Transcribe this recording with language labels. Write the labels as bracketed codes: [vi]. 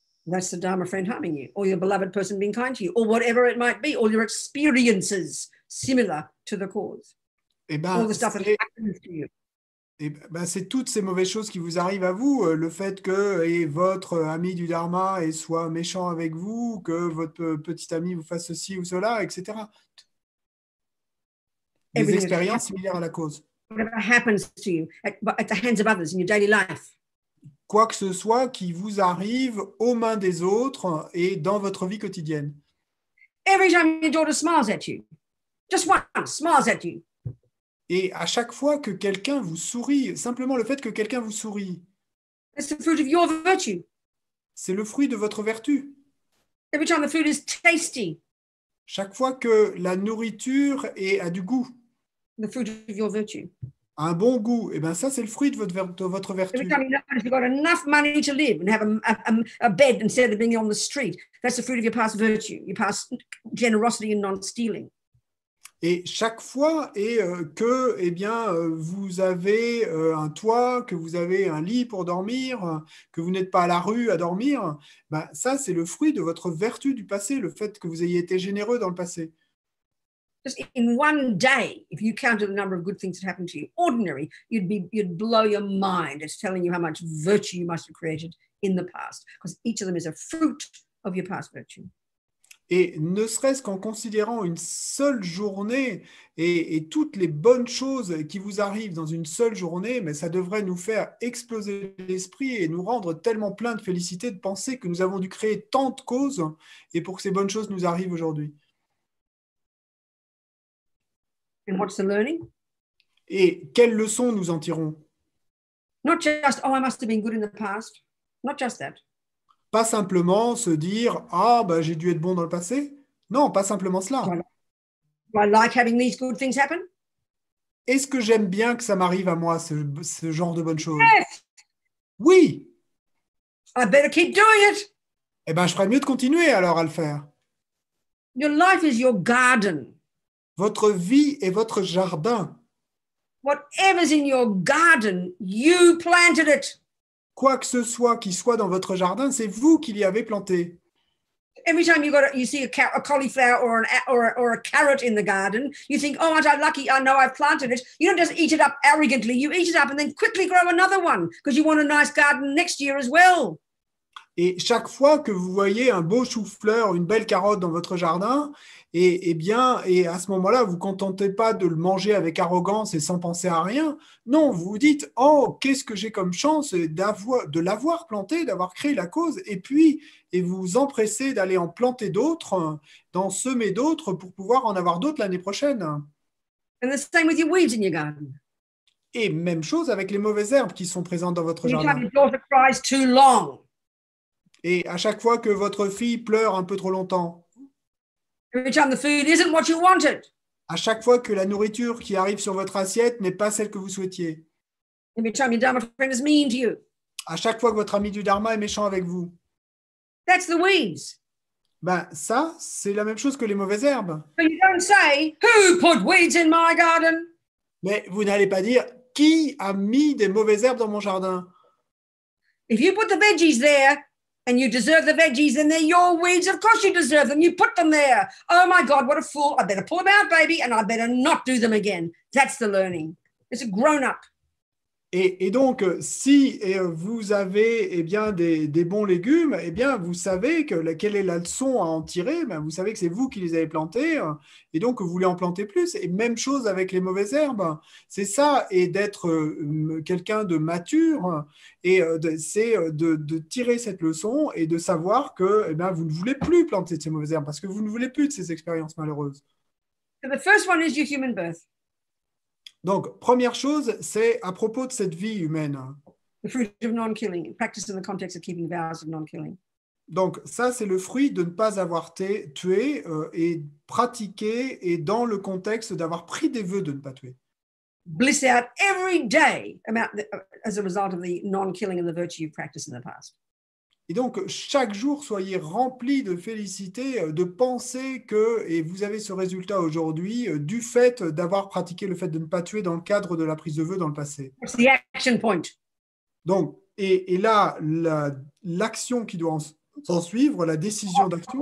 [en] That's the Dharma friend harming you, or your beloved person being kind to you, or whatever it might be, or your experiences similar to the cause. [fr] Et ben, [en] all the stuff that happens to you. [fr] Et ben, c'est toutes ces mauvaises choses qui vous arrivent à vous, le fait que et votre ami du Dharma et soit méchant avec vous, que votre petit ami vous fasse ceci ou cela, etc. Des expériences similaires à la cause. [en] Whatever happens to you at the hands of others in your daily life. [fr] Quoi que ce soit qui vous arrive aux mains des autres et dans votre vie quotidienne. [en] Every time your daughter smiles at you, just once, smiles at you. [fr] Et à chaque fois que quelqu'un vous sourit, simplement le fait que quelqu'un vous sourit. [en] It's the fruit of your virtue. [fr] C'est le fruit de votre vertu. [en] Every time the food is tasty. [fr] Chaque fois que la nourriture a du goût. [en] The fruit of your virtue. [fr] un bon goût, et ben ça c'est le fruit de votre vertu. [en] If you've got enough money to live and have a bed instead of being on the street, that's the fruit of your past virtue, your past generosity and non-stealing. [fr] Et chaque fois et que eh bien vous avez un toit, que vous avez un lit pour dormir, que vous n'êtes pas à la rue à dormir, ben ça c'est le fruit de votre vertu du passé, le fait que vous ayez été généreux dans le passé. [en] Just in one day, if you counted the number of good things that happened to you, ordinary, you'd blow your mind. It's telling you how much virtue you must have created in the past, because each of them is a fruit of your past virtue. [fr] Et ne serait-ce qu'en considérant une seule journée et toutes les bonnes choses qui vous arrivent dans une seule journée, mais ça devrait nous faire exploser l'esprit et nous rendre tellement plein de félicité de penser que nous avons dû créer tant de causes et pour que ces bonnes choses nous arrivent aujourd'hui. [en] And what's the learning? [fr] Et quelles leçons nous en tirons? [en] Not just, oh, I must have been good in the past. Not just that. [fr] Pas simplement se dire « Ah, ben, j'ai dû être bon dans le passé ». Non, pas simplement cela. [en] I like having these good things happen. [fr] Est-ce que j'aime bien que ça m'arrive à moi, ce genre de bonnes choses? [en] Yes. [fr] Oui. [en] I better keep doing it. [fr] Eh bien, je ferais mieux de continuer alors à le faire. [en] Your life is your garden. [fr] Votre vie est votre jardin. [en] Whatever's in your garden, you planted it. [fr] Quoi que ce soit qui soit dans votre jardin, c'est vous qui l'y avez planté. [en] Every time you got you see a cauliflower or a carrot in the garden, you think, oh, aren't I lucky? I know I've planted it. You don't just eat it up arrogantly. You eat it up and then quickly grow another one because you want a nice garden next year as well. [fr] Et chaque fois que vous voyez un beau chou-fleur, une belle carotte dans votre jardin, et à ce moment-là, vous ne contentez pas de le manger avec arrogance et sans penser à rien. Non, vous vous dites, oh, qu'est-ce que j'ai comme chance de l'avoir planté, d'avoir créé la cause, et vous empressez d'aller en planter d'autres, d'en semer d'autres pour pouvoir en avoir d'autres l'année prochaine. [en] And the same with your weeds in your garden. [fr] Et même chose avec les mauvaises herbes qui sont présentes dans votre jardin. [en] You haven't brought a prize too long. [fr] Et à chaque fois que votre fille pleure un peu trop longtemps, [en] every time the food isn't what you wanted, [fr] à chaque fois que la nourriture qui arrive sur votre assiette n'est pas celle que vous souhaitiez, [en] every time your Dharma friend is mean to you, [fr] à chaque fois que votre ami du Dharma est méchant avec vous, [en] that's the weeds. [fr] Ben ça, c'est la même chose que les mauvaises herbes. [en] But you don't say, who put weeds in my garden? [fr] Mais vous n'allez pas dire, qui a mis des mauvaises herbes dans mon jardin? [en] If you put the veggies there, and you deserve the veggies, and they're your weeds. Of course you deserve them. You put them there. Oh my God, what a fool. I better pull them out, baby, and I better not do them again. That's the learning. It's a grown-up. [fr] Et donc, si vous avez eh bien, des bons légumes, eh bien, vous savez quelle est la leçon à en tirer. Ben, vous savez que c'est vous qui les avez plantés, et donc vous voulez en planter plus. Et même chose avec les mauvaises herbes. C'est ça, et d'être quelqu'un de mature, et c'est de tirer cette leçon et de savoir que eh bien, vous ne voulez plus planter de ces mauvaises herbes parce que vous ne voulez plus de ces expériences malheureuses. [en] So the first one is your human birth. [fr] Donc, première chose, c'est à propos de cette vie humaine. [en] The fruit of non-killing, practice in the context of keeping the vows of non-killing. [fr] Donc, ça, c'est le fruit de ne pas avoir tué et pratiquer et dans le contexte d'avoir pris des vœux de ne pas tuer. [en] Bliss out every day as a result of the non-killing and the virtue you've practiced in the past. [fr] Et donc, chaque jour, soyez rempli de félicité, de penser que, et vous avez ce résultat aujourd'hui, du fait d'avoir pratiqué le fait de ne pas tuer dans le cadre de la prise de vœux dans le passé. [en] What's the action point? [fr] Donc, et là, l'action qui doit s'en suivre, la décision d'action,